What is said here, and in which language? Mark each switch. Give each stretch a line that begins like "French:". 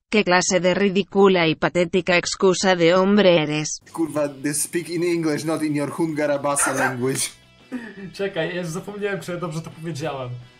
Spanish: ¿Qué clase de ridícula y patética excusa de hombre eres?
English: Kurwa, they speak in English, not in your Hungarabasa language.
Polish: Czekaj, ja zapomniałem, czy ja dobrze to powiedziałem.